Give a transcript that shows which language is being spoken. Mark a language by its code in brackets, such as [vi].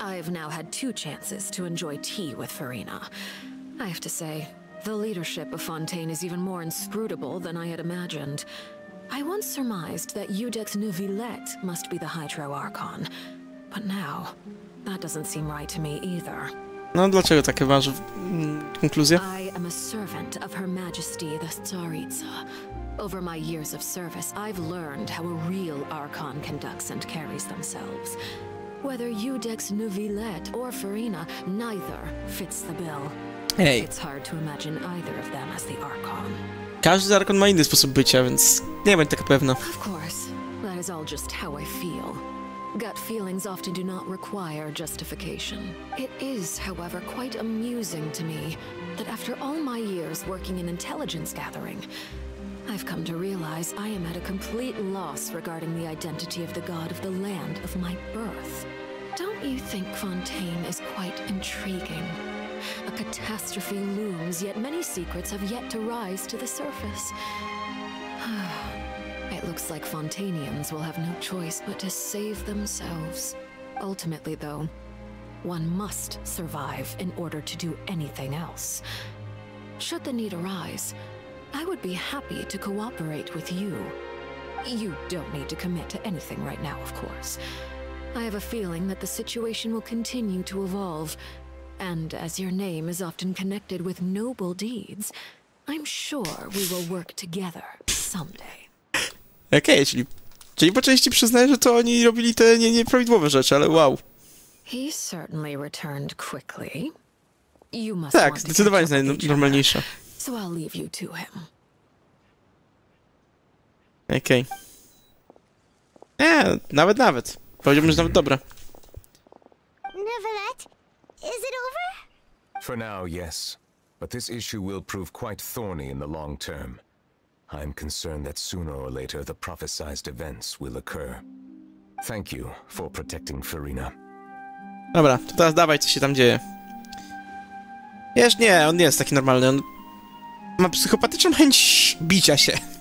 [en] I've now had two chances to enjoy tea with Farina. I have to say, the leadership of Fontaine is even more inscrutable than I had imagined. I once surmised that Eudex Nouvillette must be the Hydro Archon. But now, that doesn't seem right to me either. [pl] No, dlaczego takie ważne konkluzje? [en] I am a servant of Her Majesty the Tsaritsa. Over my years of service, I've learned how a real Archon conducts and carries themselves. Whether Eudex Nouvillette or Farina, neither fits the bill. Hey. It's hard to imagine either of them as the Archon. [pl] Każdy z Archon ma inny sposób bycia, więc nie bądź taka pewna. [en] Of course, that is all just how I feel. Gut feelings often do not require justification. It is, however, quite amusing to me that after all my years working in intelligence gathering, I've come to realize I am at a complete loss regarding the identity of the god of the land of my birth. Don't you think Fontaine is quite intriguing? A catastrophe looms, yet many secrets have yet to rise to the surface. It looks like Fontanians will have no choice but to save themselves. Ultimately, though, one must survive in order to do anything else. Should the need arise, I would be happy to cooperate with you. You don't need to commit to anything right now, of course. I have a feeling that the situation will continue to evolve. And as your name is often connected with noble deeds, I'm sure we will work together someday. [pl] Okej, czyli po części przyznaję, że to oni robili te nieprawidłowe rzeczy, ale wow. [en] He certainly returned quickly. You must [pl] tak, zdecydowanie jest najnormalniejsza. [en] So I'll leave you to him. [pl] Okej. Nawet. Powiedziałbym, że nawet dobra. [en] For now, yes. But this issue will prove quite thorny in the long term. I am concerned that sooner or later the prophesized events will occur. Thank you for protecting Farina. [pl] Dobra, to teraz dawaj, co się tam dzieje. Wiesz, nie, on nie jest taki normalny, on ma psychopatyczną chęć bicia się.